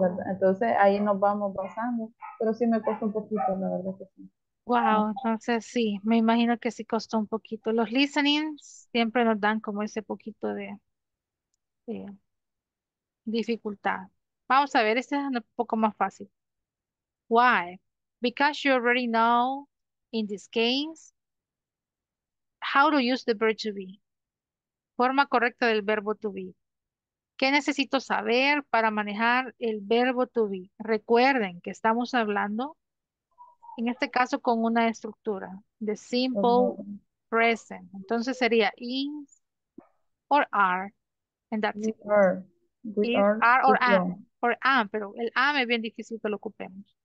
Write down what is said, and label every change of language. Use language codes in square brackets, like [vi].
[es] Entonces ahí nos vamos basando, pero sí me costó un poquito, la verdad que sí. Wow, entonces sí, me imagino que sí costó un poquito. Los listenings siempre nos dan como ese poquito de dificultad. Vamos a ver, este es un poco más fácil. [en] Why? Because you already know in this case how to use the verb to be. [es] Forma correcta del verbo to be. ¿Qué necesito saber para manejar el verbo to be? Recuerden que estamos hablando... En este caso, con una estructura, the simple present. Entonces sería is or are, [en] and that's it. We are or am. [es] Or am, pero el am es bien difícil que lo ocupemos.